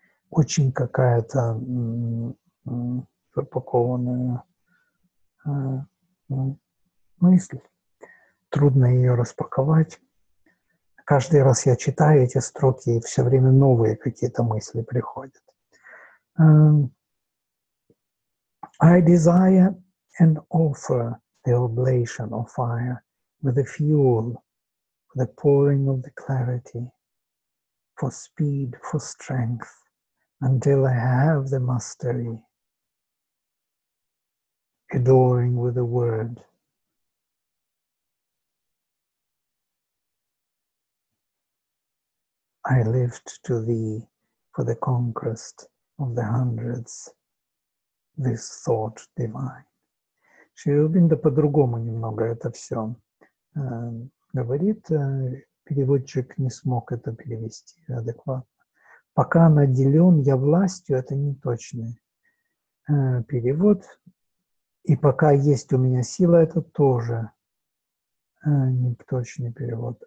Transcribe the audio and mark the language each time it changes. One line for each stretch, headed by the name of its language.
Russian: Очень какая-то упакованная мысль. Трудно ее распаковать. Каждый раз я читаю эти строки, и все время новые какие-то мысли приходят.
English: I desire and offer the oblation of fire with the fuel, the pouring of the clarity, for speed, for strength, until I have the mastery, adoring with the word. I lift to thee for the conquest of the hundreds, this thought divine.
Russian: Шиобинда по-другому немного это все говорит, переводчик не смог это перевести адекватно. Пока наделен я властью, это не точный перевод. И пока есть у меня сила, это тоже не точный перевод.